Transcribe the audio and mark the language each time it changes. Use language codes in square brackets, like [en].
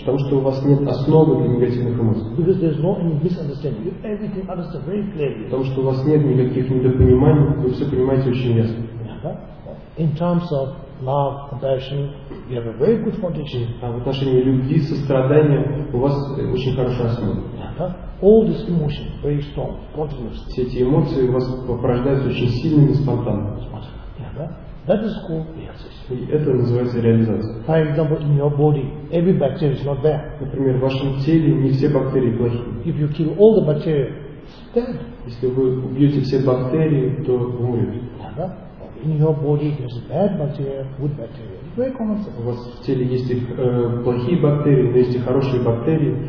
[ru] Потому что у вас нет основы для негативных эмоций. [en] Because there's no any misunderstanding. You everything understand very clearly. [ru] Потому что у вас нет никаких недопониманий, вы все понимаете очень ясно. [en] In terms of love, compassion, you have a very good foundation. [ru] В отношении любви, сострадания у вас очень хорошая основа. [en] All these emotions very strong, spontaneous. [ru] Все эти эмоции у вас порождаются очень сильными, спонтанно. [en] That is called reality. [ru] И это называется реализация. [en] For example, in your body, every bacteria is not there. [ru] Например, в вашем теле не все бактерии плохие. [en] If you kill all the bacteria, dead. [ru] Если вы убьете все бактерии, то умрете. [en] In your body there's bad bacteria, good bacteria. Very common sense. [ru] У вас в теле есть плохие бактерии, но есть и хорошие бактерии.